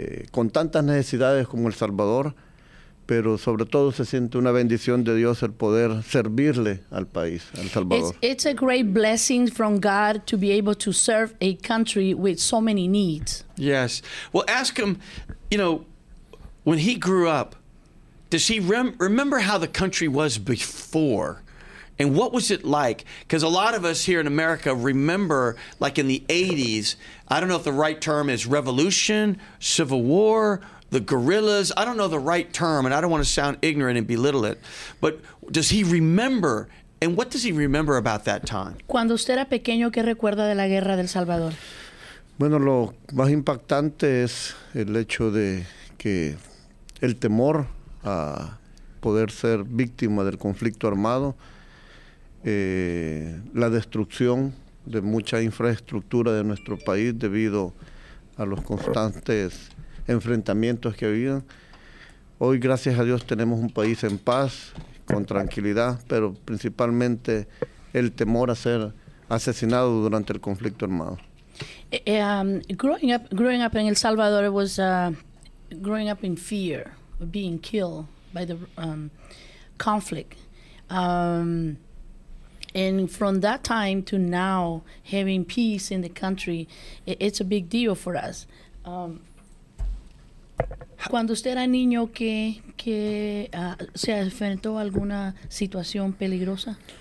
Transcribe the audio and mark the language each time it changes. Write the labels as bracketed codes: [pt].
[es] con tantas necesidades como El Salvador, pero sobre todo se siente una bendición de Dios el poder servirle al país, al Salvador. [en] It's a great blessing from God to be able to serve a country with so many needs. Yes. Well, ask him, you know, when he grew up, does he remember how the country was before? And what was it like? Because a lot of us here in America remember, like in the 80s, I don't know if the right term is revolution, civil war, the guerrillas. I don't know the right term, and I don't want to sound ignorant and belittle it. But does he remember? And what does he remember about that time? [es] Cuando usted era pequeño, ¿qué recuerda de la guerra del Salvador? Bueno, lo más impactante es el hecho de que el temor a poder ser víctima del conflicto armado, la destrucción de mucha infraestructura de nuestro país debido a los constantes enfrentamientos que habían. Hoy, gracias a Dios, tenemos un país en paz, con tranquilidad, pero principalmente el temor a ser asesinado durante el conflicto armado. [en] Growing up in El Salvador, it was growing up in fear of being killed by the conflict. And from that time to now, having peace in the country, it's a big deal for us. [es] Cuando usted era niño, ¿se enfrentó alguna situación peligrosa?